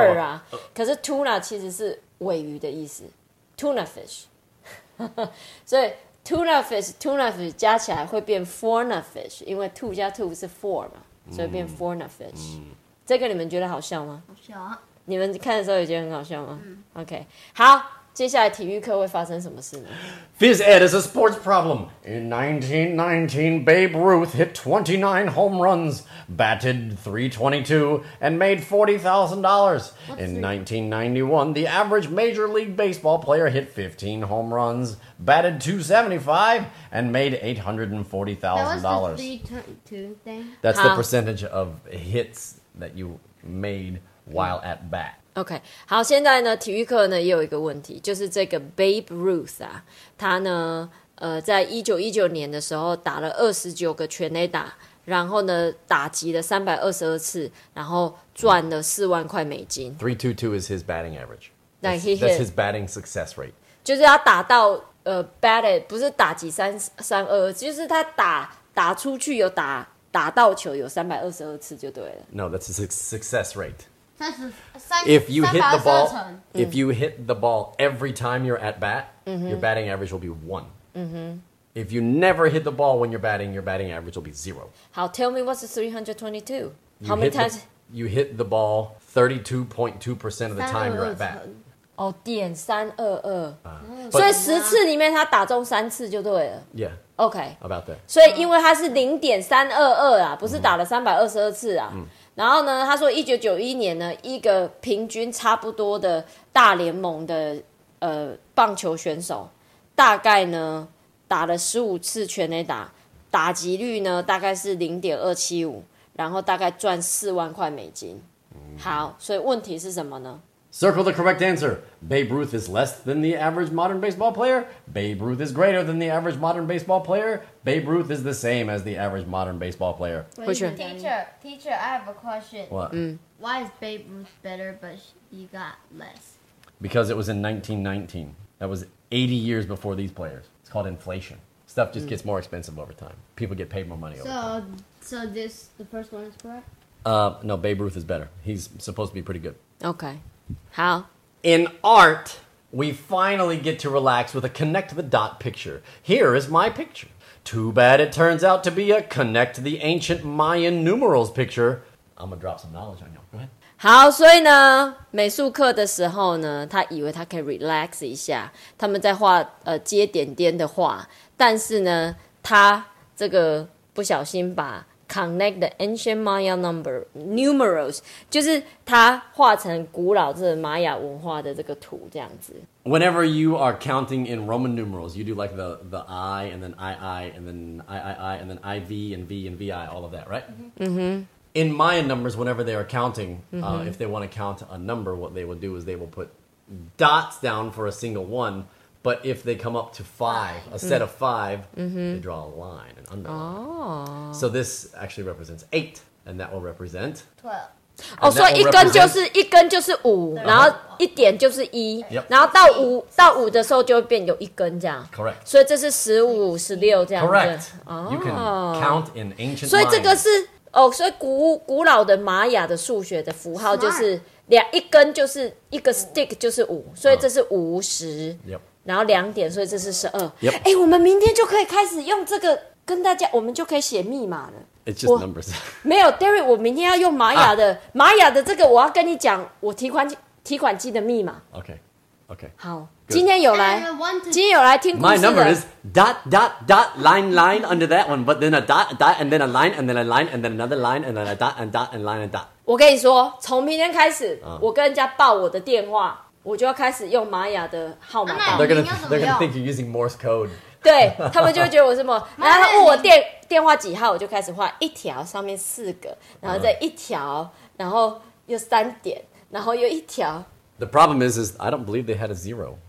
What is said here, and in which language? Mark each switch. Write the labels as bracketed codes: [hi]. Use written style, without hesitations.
[zh] 二啊， 可是 tuna 其实是尾鱼的意思 ，tuna fish， 所以 tuna fish 加起来会变 fauna fish， 因为 two 加 two 是 four 嘛，所以变 fauna fish。这个你们觉得好笑吗？好笑啊！你们看的时候也觉得很好笑吗？嗯。OK， 好，接下来体育课会发生什么事呢 [en] ？Phys Ed is a sports problem. In 1919, Babe Ruth hit 29 home runs, batted 322, and made $40,000. In 1991, the average Major League Baseball player hit 15 home runs, batted 275, and made $840,000. That was the 322 thing. That's the percentage of hits that you made while at bat. [zh] OK， 好，现在呢，体育课呢也有一个问题，就是这个 Babe Ruth 啊，他呢，在1919年的时候打了29个全垒打，然后呢，打击了322次，然后赚了$40,000。 [en] 322 is his batting average. That's, like he hit, his batting success rate. [zh] 就是他打到batted 不是打击322，就是他打出去有打到球有322次就对了。 [en] No, that's his success rate. If you hit the ball, if you hit the ball every time you're at bat,、mm-hmm. your batting average will be one.、 Mm-hmm. If you never hit the ball when you're batting, your batting average will be zero. How? Tell me what's the 322? How many times? You hit the ball 32.2% of the time you're at bat. Oh, 322. [zh] So 10次里面他打中三次就对了 [en] Yeah. OK， about that。 [zh] 所以因为他是 0.322 啊，不是打了322次啊。 [en] Mm-hmm. [zh] 然后呢，他说1991年呢，一个平均差不多的大联盟的棒球选手，大概呢打了15次全垒打，打击率呢大概是 0.275， 然后大概赚$40,000。好，所以问题是什么呢？ [en] Circle the correct answer. Babe Ruth is less than the average modern baseball player. Babe Ruth is greater than the average modern baseball player. Babe Ruth is the same as the average modern baseball player. Teacher, I have a question. What?、 Mm. Why is Babe Ruth better, but you got less? Because it was in 1919. That was 80 years before these players. It's called inflation. Stuff just gets more expensive over time. People get paid more money over time. So this, the first one is correct? No, Babe Ruth is better. He's supposed to be pretty good. Okay. How? In art, we finally get to relax with a connect the dot picture. Here is my picture. Too bad it turns out to be a connect the ancient Mayan numerals picture. I'm gonna drop some knowledge on y'all. Go ahead. [zh] 好，所以呢，美术课的时候呢，他以为他可以 relax 一下，他们在画接点点的画，但是呢，他这个不小心把。 [en] Connect the ancient Maya number numerals, [zh] 就是它画成古老这玛雅文化的这个图这样子。 [en] Whenever you are counting in Roman numerals, you do like the I and then II and then III and then IV and V and VI, all of that, right? Mm-hmm. In Mayan numbers, whenever they are counting,、mm-hmm. If they want to count a number, what they will do is they will put dots down for a single one. But if they come up to five, a set of five,、 mm-hmm. they draw a line, an underline.、 Oh. So this actually represents eight, and that will represent... 12. Oh, so [zh] 一根就是五，然后一点就是一，然后到五的时候就会变有一根这样。 [en] Correct. [zh] 所以这是十五、十六这样。 [en] Correct. You can count in ancient Mayan. [zh] 所以这个是哦，所以古老的玛雅的数学的符号就是两一根就是一个 stick 就是五，所以这是五十。 [en] Yep. [zh] 然后两点，所以这是十二。 [en] Yep. [zh] 欸，我们明天就可以开始用这个跟大家，我们就可以写密码了。 [en] It's just numbers. [zh] 没有 ，Derry， 我明天要用玛雅的、啊、玛雅的这个，我要跟你讲我提款机的密码。 [en] Okay. [zh] 好， Good. 今天有来， [en] to... [zh] 今天有来听故事的。 [en] My number is dot dot dot line line under that one, but then a dot dot and then a line and then a line and then another line and then a dot and dot and line and dot. [zh] 我跟你说，从明天开始，我跟人家报我的电话。我就要开始用玛雅的号码。 [en] They're gonna think you're using Morse code. [zh] 对，他们就会觉得我是什么。然后他问我电话几号，我就开始画一条，上面四个，然后再一条，然后又三点，然后又一条。 [en] The problem is I don't believe they had a zero.